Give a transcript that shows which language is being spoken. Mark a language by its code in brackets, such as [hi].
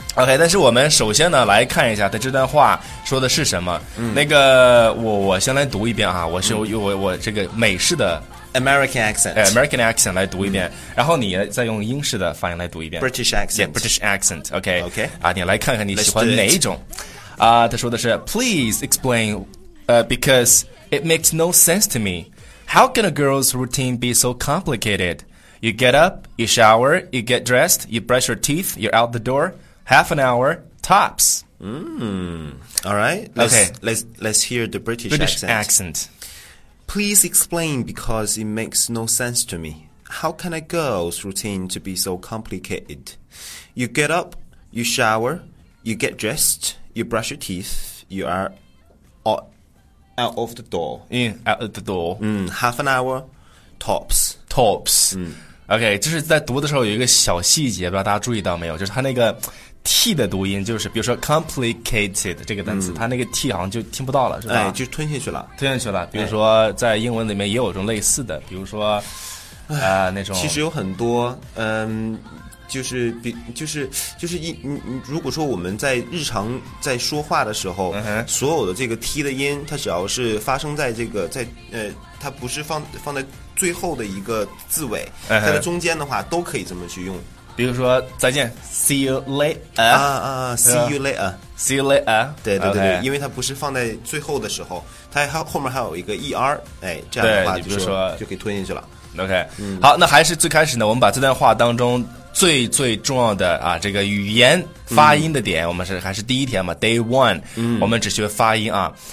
[zh] OK， 但是我们首先呢，来看一下他这段话说的是什么。那个我先来读一遍啊，我是用我这个美式的。 [en] American [zh] accent 来读一遍、然后你再用英式的发音来读一遍 [en] British accent Yeah, British accent OK OK [zh] 啊，你来看看你喜欢哪一种啊？他说的是 [en] Please explain because it makes no sense to me How can a girl's routine be so complicated? You get up, you shower, you get dressed, you brush your teeth, you're out the door Half an hour, tops All right let's hear the British accent Please explain because it makes no sense to me. How can a girl's routine to be so complicated? You get up, you shower, you get dressed, you brush your teeth, you are out of the door. Out of the door. Half an hour, tops. Tops. [zh] OK, 就是在读的时候有一个小细节，不知道大家注意到没有，就是他那个 T 的读音，就是比如说 complicated 这个单词，他那个 T 好像就听不到了，是吧？哎，就吞下去了，吞下去了。比如说在英文里面也有这种类似的，比如说，那种其实有很多，就是你如果说我们在日常在说话的时候，所有的这个 T 的音，它只要是发生在这个在它不是放在最后的一个字尾，在它中间的话，都可以这么去用。比如说再见 ， [en] see you later 啊啊 ，see you later，see you later， [zh] 对对对对， [en] okay. [zh] 因为它不是放在最后的时候，它后面还有一个 er， 哎，这样的话就说就可以吞进去了。 OK，、好，那还是最开始呢，我们把这段话当中最最重要的啊，这个语言发音的点，我们还是第一天嘛 ， [en] day one，、 [zh] 我们只学发音啊。